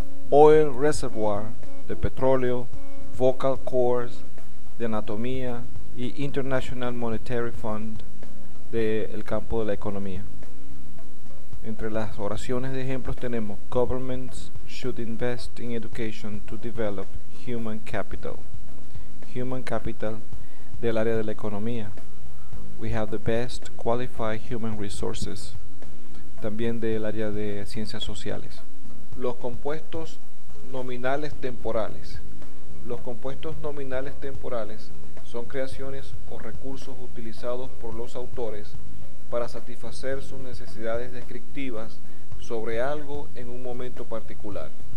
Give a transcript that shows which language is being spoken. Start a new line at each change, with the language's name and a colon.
Spanish: Oil Reservoir, de petróleo, Vocal Cords, de anatomía, y International Monetary Fund, del campo de la economía. Entre las oraciones de ejemplos tenemos
English: Governments should invest in education to develop human capital.
Spanish: Human capital, del área de la economía.
English: We have the best qualified human resources.
Spanish: También del área de ciencias sociales. Los compuestos nominales temporales. Los compuestos nominales temporales son creaciones o recursos utilizados por los autores para satisfacer sus necesidades descriptivas sobre algo en un momento particular.